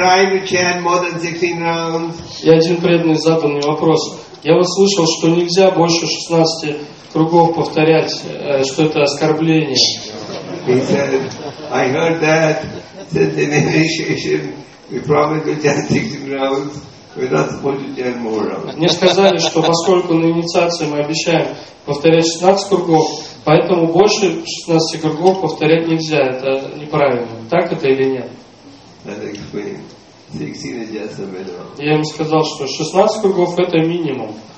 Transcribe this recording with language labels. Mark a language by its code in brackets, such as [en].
[ru] И один преданный задал мне вопрос. Я вот слышал, что нельзя больше 16 кругов повторять, что это оскорбление. [en] He said, I heard that since in initiation we promised to chant 16 rounds, we're not supposed to chant more rounds. [ru] Мне сказали, что поскольку на инициации мы обещаем повторять 16 кругов, поэтому больше 16 кругов повторять нельзя. Это неправильно. Так это или нет? [en] That explained. 16 is just a minimum. [ru] Я ему сказал, что 16 кругов это минимум.